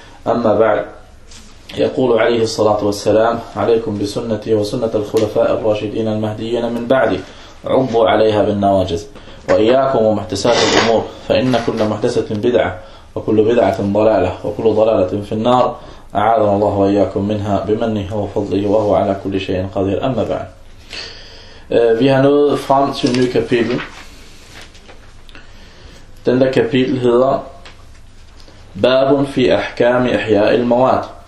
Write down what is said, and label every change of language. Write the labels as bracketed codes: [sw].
[ar] أما بعد، يقول عليه الصلاة والسلام: عليكم بسنتي وسنة الخلفاء الراشدين المهديين من بعدي، عضوا عليها بالنواجذ، وإياكم ومحدثات الأمور، فإن كل محدثة بدعة وكل بدعة ضلالة وكل ضلالة في النار، أعاذنا الله وإياكم منها بمنه وفضله وهو على كل شيء قدير. أما بعد، [da] vi har nået frem til en ny kapitel. Den der kapitel hedder [ar] باب في أحكام إحياء المواد.